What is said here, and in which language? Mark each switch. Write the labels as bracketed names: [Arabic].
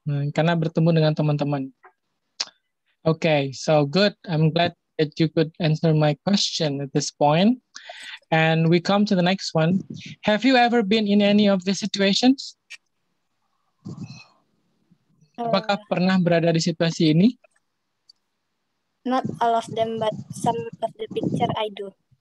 [Indonesian] Karena bertemu dengan teman-teman. [English] Okay, so good. I'm glad that you could answer my question at this point. And we come to the next one. Have you ever been in any of these situations? [Indonesian] Apakah pernah berada di situasi ini? [English] Not all of them, but some of the picture I do.